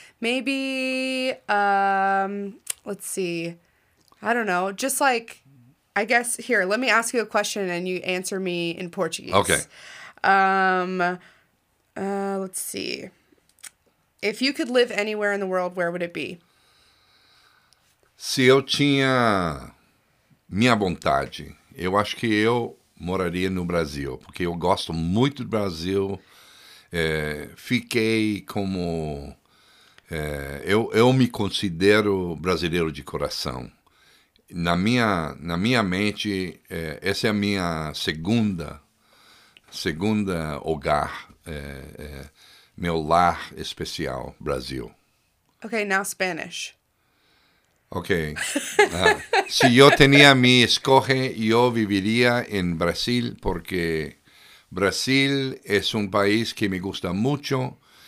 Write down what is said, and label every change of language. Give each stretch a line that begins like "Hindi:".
English: Maybe, let's see. I don't know, just like... I guess, here, let me ask you a question and you answer me in Portuguese. Okay. Let's see. If you could live anywhere in the world, where would it be?
Portuguese: Se eu tinha minha vontade, eu acho que eu moraria no Brasil, porque eu gosto muito do Brasil. Fiquei como... eu me considero brasileiro de coração. Na minha mente, essa é a minha segunda hogar, meu lar especial, Brasil.
English: Okay, now Spanish. Okay.
Spanish: Si yo tenía mi escoge, yo viviría en Brasil porque Brasil es un país que me gusta mucho.